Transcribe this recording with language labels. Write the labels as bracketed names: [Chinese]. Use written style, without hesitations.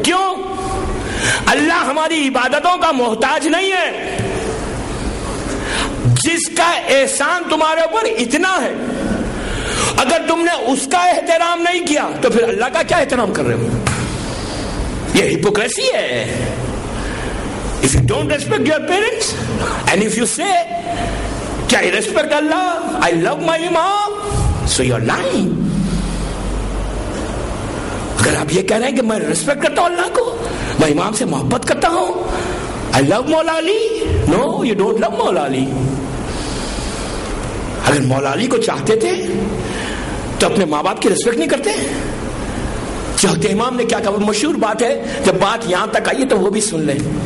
[Urdu] کیوں؟ اللہ ہماری عبادتوں کا محتاج نہیں ہے. جس کا احسان تمہارے اوپر اتنا ہے, اگر تم نے اس کا احترام نہیں کیا تو پھر اللہ کا کیا احترام کر رہے ہو؟ یہ ہپوکریسی ہے. [English] If you don't respect your parents and if you say کیا respect Allah, I love my imam, so you're lying. [Urdu] اگر آپ یہ کہہ رہے ہیں کہ میں respect کرتا ہوں اللہ کو, میں امام سے محبت کرتا ہوں, [English] I love Maula Ali, [Urdu] no you don't love مولا علی. اگر مولا علی کو چاہتے تھے تو اپنے ماں باپ کی ریسپیکٹ نہیں کرتے؟ چاہتے امام نے کیا کہا, وہ مشہور بات ہے, جب بات یہاں تک آئی ہے تو وہ بھی سن لیں.